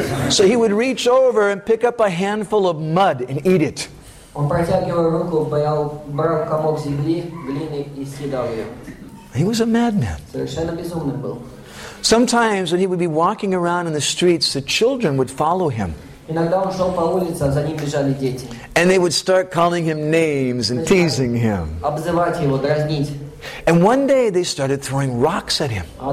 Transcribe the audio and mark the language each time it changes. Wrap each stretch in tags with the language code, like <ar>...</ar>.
<en>So he would reach over and pick up a handful of mud and eat it.</en> <ru>Он протягивал руку, брал комок земли, глины и съедал ее.</ru> <en>He was a madman.</en> <ru>Совершенно безумный был.</ru> <en>Sometimes when he would be walking around in the streets, the children would follow him. And they would start calling him names and teasing him. And one day they started throwing rocks at him.</en>